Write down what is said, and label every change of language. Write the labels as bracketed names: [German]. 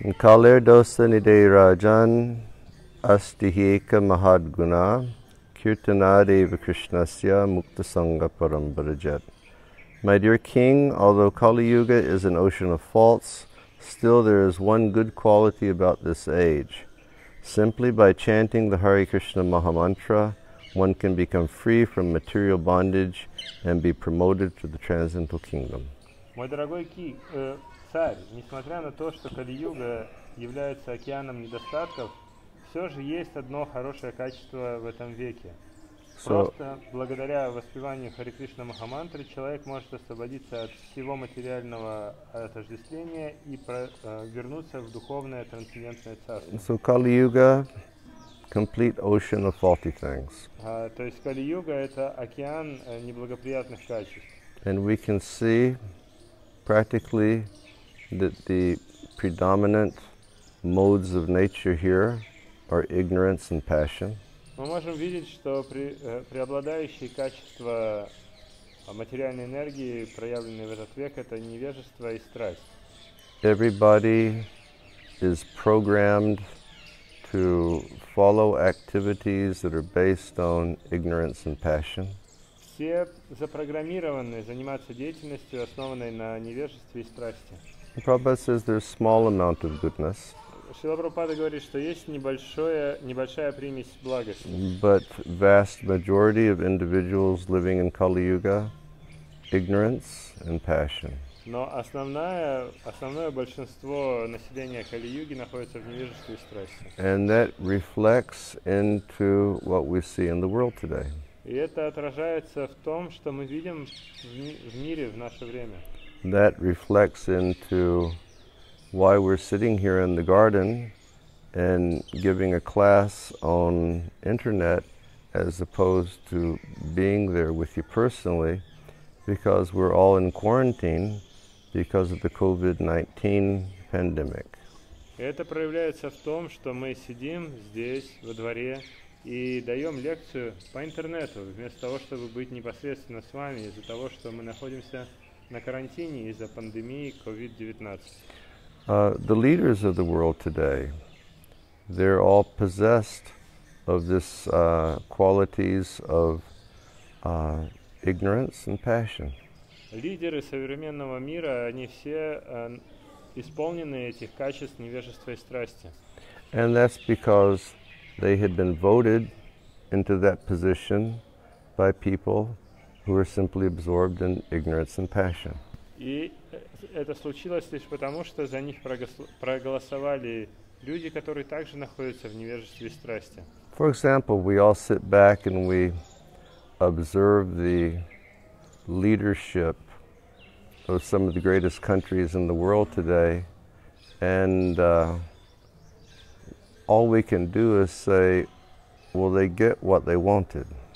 [Sanskrit] Калер доса нидей раджан астихика махадгуна киртанаде вакришнасья муктасанга парамбраджат. [English] My dear king, although Kali-yuga is an ocean of faults, still there is one good quality about this age. Simply by chanting the Hare Krishna Maha Mantra, one can become free from material bondage and be promoted to the transcendental kingdom. [Russian] Мой дорогой царь, несмотря на то, что Кали-юга является океаном недостатков, все же есть одно хорошее качество в этом веке. Просто благодаря воспеванию Хари Кришна Махамантры человек может освободиться от всего материального отождествления и вернуться в духовное трансцендентное царство. [English] So Kali-yuga, complete ocean of faulty things. [Russian] То есть Кали-юга это океан неблагоприятных качеств. [English] And we can see practically that the predominant modes of nature here are ignorance and passion. [Russian] Мы можем видеть, что преобладающие качества материальной энергии, проявленные в этот век, это невежество и страсть. [English] Everybody is programmed to follow activities that are based on ignorance and passion. [Russian] Все запрограммированы заниматься деятельностью, основанной на невежестве и страсти. [English] Prabhupada says there's small amount of goodness. [Russian] Шрила Прабхупада говорит, что есть небольшая примесь благости. [English] But vast majority of individuals living in Kali-yuga, ignorance and passion. [Russian] Но основное большинство населения Кали-юги находится в невежестве и страсти. [English] And that reflects into what we see in the world today. [Russian] И это отражается в том, что мы видим в мире в наше время. [English] That reflects into why we're sitting here in the garden and giving a class on internet as opposed to being there with you personally, because we're all in quarantine because of the COVID-19 pandemic. [Russian] Это проявляется в том, что мы сидим здесь во дворе и даем лекцию по интернету, вместо того, чтобы быть непосредственно с вами, из-за того, что мы находимся на карантине из-за пандемии COVID-19. [English] The leaders of the world today, they're all possessed of this qualities of ignorance and passion. [Russian] Лидеры современного мира, они все исполнены этих качеств невежества и страсти. [English] And that's because they had been voted into that position by people who are simply absorbed in ignorance and passion. [Russian] И это случилось лишь потому, что за них проголосовали люди, которые также находятся в невежестве и страсти. [English] For example, we all sit back and we observe the leadership of some of the greatest countries in the world today, and all we can do is say, well, they get what they wanted.